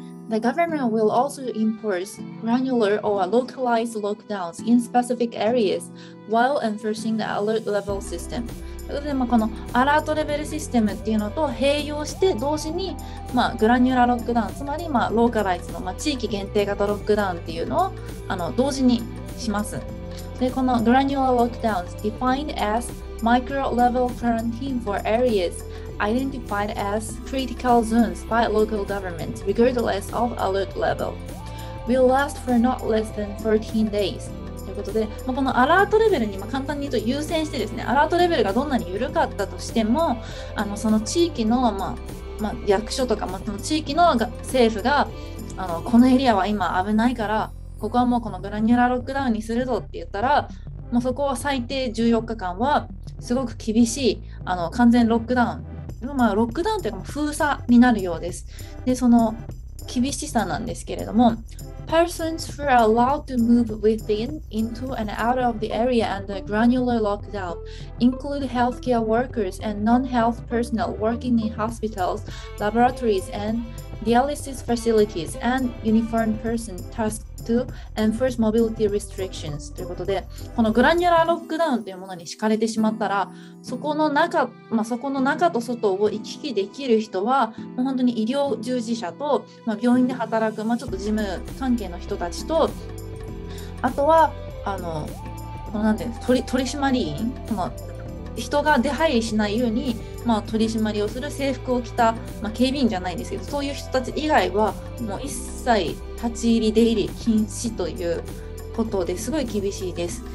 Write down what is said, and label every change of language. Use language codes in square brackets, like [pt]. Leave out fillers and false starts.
[en] The government will also impose granular or localized lockdowns in specific areas while enforcing the alert level system. [ja] でまあ、このアラートレベルシステムっていうのと併用して同時に、まあ、グラニューラロックダウン、つまりまあローカライズの、まあ、地域限定型ロックダウンっていうのをあの同時にします。でこのグラニューラロックダウン [en] defined as micro level quarantine for areas identified as critical zones by local governments regardless of alert level will last for not less than 14 days. [ja] ということで、まあ、このアラートレベルに、まあ、簡単に言うと優先してですね、アラートレベルがどんなに緩かったとしても、あのその地域の、まあまあ、役所とか、まあ、その地域の政府があのこのエリアは今危ないから、ここはもうこのグラニュラロックダウンにするぞって言ったら、もうそこは最低14日間はすごく厳しい、あの完全ロックダウン、まあ、ロックダウンというか封鎖になるようです。でその厳しさなんですけれども、 [en] Persons who are allowed to move within, into, and out of the area under granular lockdown include healthcare workers and non-health personnel working in hospitals, laboratories, and dialysis facilities, and uniformed persons tasked to enforce mobility restrictions. [ja] ということで、このグラニュラーロックダウンというものに敷かれてしまったら、そこの中、まあ、そこの中と外を行き来できる人は、もう本当に医療従事者と、まあ、病院で働く、まあ、ちょっと事務関係の人たちと、あとは、あの、このなんていうの、取締員、この人が出入りしないように、まあ、取締りをする制服を着た、まあ、警備員じゃないんですけど、そういう人たち以外はもう一切立ち入り出入り禁止ということで、すごい厳しいです。